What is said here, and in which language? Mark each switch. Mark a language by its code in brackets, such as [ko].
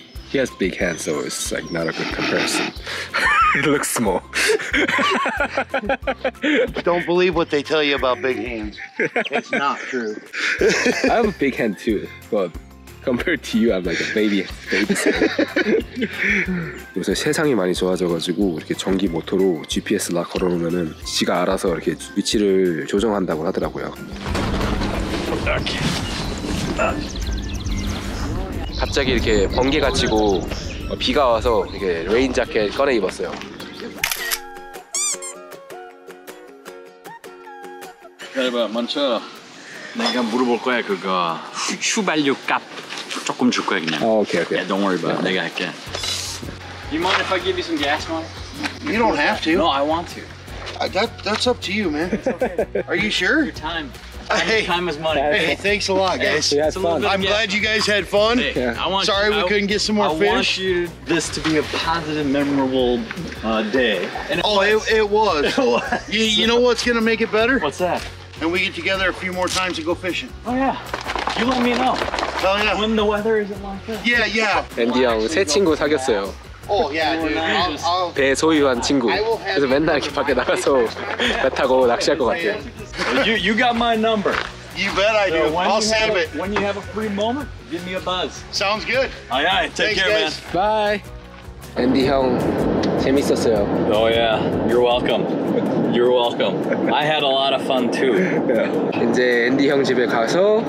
[en] He has big hands, so it's like not a good comparison. It looks small. Don't believe what they tell you about big hands. It's not true. I have a big hand too, but compared to you, I'm like a baby. [ko] 요새 세상이 많이 좋아져가지고 이렇게 전기 모터로 GPS 락 걸어놓으면은 지가 알아서 이렇게 위치를 조정한다고 하더라고요. 갑자기 이렇게 번개가 치고 비가 와서 이렇게 레인 자켓 꺼내 입었어요. Hey, 먼저 내가 물어볼 거야 그거 휴발유 값. 조금 줄 거야 그냥. [en] Oh, okay, okay. Yeah, don't worry about it. [ko] 내가 할게. [en] You mind if I give you some gas money? You don't have to. No, I want to. That's up to you, man. It's okay. Are you sure? Your time. Time is money. Hey, thanks a lot, guys. Yeah, it's fun. I'm glad you guys had fun. Hey, yeah. Sorry we couldn't get some more fish. I want this to be a positive, memorable day. And it was. You know what's gonna make it better? What's that? And we get together a few more times and go fishing. Oh yeah. You let me know. Oh, yeah. When the weather isn't like this. Yeah, yeah. [ko] Andy 형 새 친구 사귀었어요. [en] Oh yeah, dude. [ko] Be 소유한 친구. 그래서 맨날 이렇게 밖에 나가서 배 타고 낚시할 것 같아요. [en] You got my number. You bet I do. I'll save it. When you have a free moment, give me a buzz. Sounds good. Aye, aye. Take care, man. [ko] Bye. Andy 형 재밌었어요. [en] Oh yeah. You're welcome. You're welcome. I had a lot of fun too. [ko] 이제 Andy 형 집에 가서.